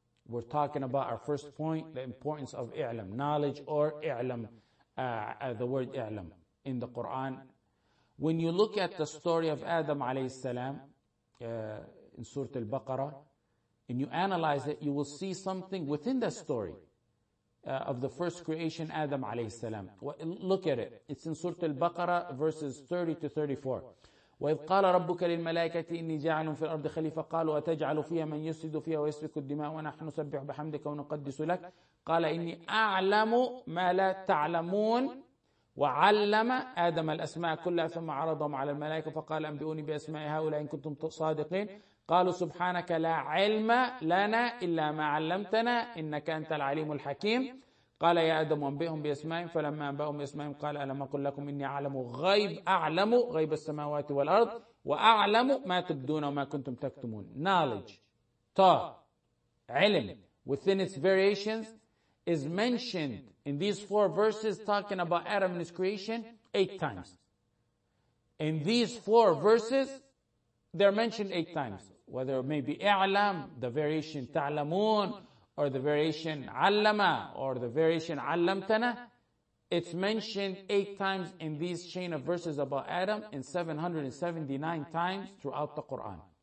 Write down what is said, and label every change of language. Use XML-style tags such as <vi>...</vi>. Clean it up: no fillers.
<en>We're talking about our first point, the importance of I'lam, knowledge or I'lam, the word I'lam in the Quran. When you look at the story of Adam alayhi salam in Surah Al-Baqarah, and you analyze it, you will see something within the story of the first creation, Adam alayhi salam. Look at it. It's in Surah Al-Baqarah, verses 30 to 34.</en> <ar>وَإِذْ قَالَ رَبُّكَ لِلْمَلَائِكَةِ إِنِّي جَاعِلٌ فِي الْأَرْضِ خَلِيفَةً قَالُوا أَتَجْعَلُ فِيهَا مَنْ يُسْفِكُ فِيهَا وَيَسْفِكُ الدِّمَاءَ وَنَحْنُ نُسَبِّحُ بِحَمْدِكَ وَنُقَدِّسُ لَكَ قَالَ إِنِّي أَعْلَمُ مَا لَا تَعْلَمُونَ وعلم آدم الأسماء كلها ثم عرضهم على الملائكة فقال أنبئوني بأسماء هؤلاء إن كنتم صادقين قالوا سبحانك لا علم لنا إلا ما علمتنا إنك أنت العليم الحكيم قال يا آدم أنبئهم بأسمائهم فلما أنبأهم بأسمائهم قال ألم أقل لكم إني أعلم غيب أعلم غيب السماوات والأرض وأعلم ما تبدون وما كنتم تكتمون.</ar> <en>Knowledge, ta, علم, within its variations is mentioned in these four verses talking about Adam and his creation eight times. In these four verses, they're mentioned eight times. Whether it may be I'lam, the variation ta'lamun, or the variation allama, or the variation allamtana, it's mentioned eight times in these chain of verses about Adam and 779 times throughout the Quran.</en>